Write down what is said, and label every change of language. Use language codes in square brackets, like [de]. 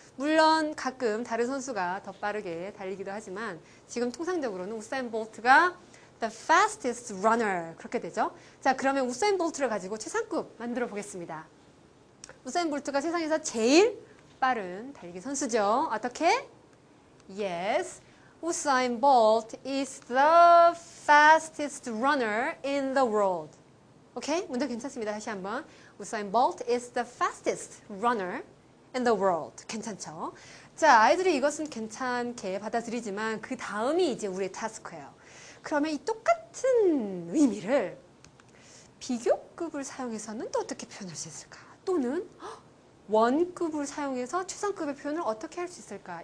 [ko] 물론 가끔 다른 선수가 더 빠르게 달리기도 하지만 지금 통상적으로는 우사인 볼트가 [en] the fastest runner [ko] 그렇게 되죠. 자, 그러면 우사인 볼트를 가지고 최상급 만들어 보겠습니다. 우사인 볼트가 세상에서 제일 빠른 달리기 선수죠. 어떻게? [en] Yes, Usain Bolt is the fastest runner in the world. [ko] 오케이? 문제 괜찮습니다. 다시 한번. [en] Usain Bolt is the fastest runner in the world. [ko] 괜찮죠? 자, 아이들이 이것은 괜찮게 받아들이지만 그 다음이 이제 우리의 타스크예요. 그러면 이 똑같은 의미를 비교급을 사용해서는 또 어떻게 표현할 수 있을까? 또는 원급을 사용해서 최상급의 표현을 어떻게 할 수 있을까?